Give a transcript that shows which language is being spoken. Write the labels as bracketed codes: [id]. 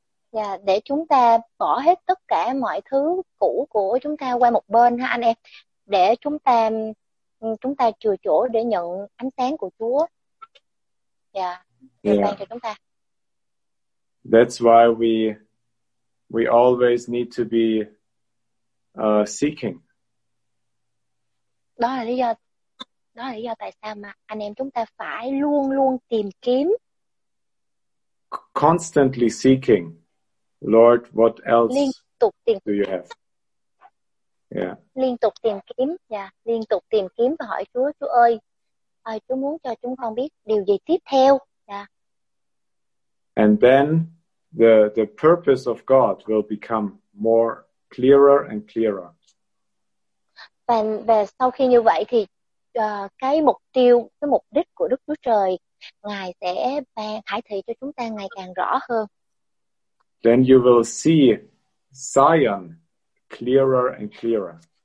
[vi] Yeah, để chúng ta bỏ hết tất cả mọi thứ cũ của chúng ta qua một bên ha anh em, để chúng ta chừa chỗ để nhận ánh sáng của Chúa. Yeah. Ban cho chúng ta. [en] That's why we always need to be seeking. [vi] Đó là lý do tại sao mà anh em chúng ta phải luôn luôn tìm kiếm. [en] Constantly seeking, Lord, what else [vi] liên tục tìm [en] do you have? Yeah. [vi] Liên tục tìm kiếm, liên tục tìm kiếm và hỏi Chúa, Chúa ơi, Chúa muốn cho chúng con biết điều gì tiếp theo, [en] And then the purpose of God will become more clearer and clearer. [vi] Và sau khi như vậy thì cái mục đích của Đức Chúa Trời Ngài sẽ ban khải thị cho chúng ta ngày càng rõ hơn. [en] Then you will see Zion clearer and clearer.